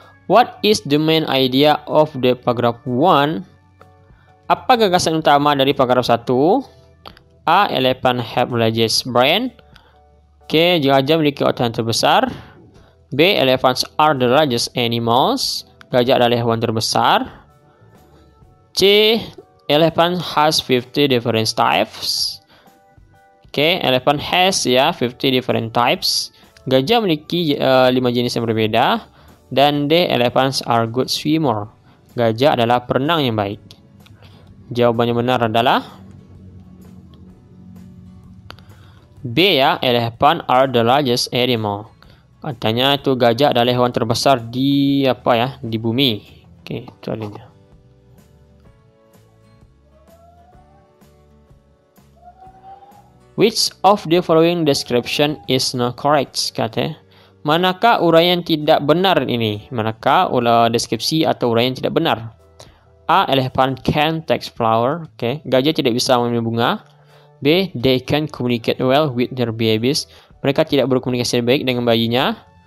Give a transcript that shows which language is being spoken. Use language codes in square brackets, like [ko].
[en] What is the main idea of the paragraph 1? [id] Apa gagasan utama dari paragraph 1? A. [en] Elephant have largest brain. [id] Gajah memiliki otak yang terbesar. B. [en] Elephants are the largest animals. [id] Gajah adalah hewan terbesar. [en] C. Elephant has 50 different types. Elephant has 50 different types. [id] Gajah memiliki 5 jenis yang berbeda. Dan D. [en] Elephants are good swimmer. [id] Gajah adalah perenang yang baik. Jawabannya benar adalah B ya. [en] Elephant are the largest animal. [id] Katanya itu gajah adalah hewan terbesar di apa ya? Di bumi. Oke, itu adanya. [en] Which of the following description is not correct? [id] Katanya. Manakah uraian tidak benar ini? Manakah deskripsi atau uraian tidak benar? A. [en] Elephant can take flower. [id] Gajah tidak bisa mengambil bunga. B. [en] They can communicate well with their babies. [id] Mereka tidak berkomunikasi baik dengan bayinya.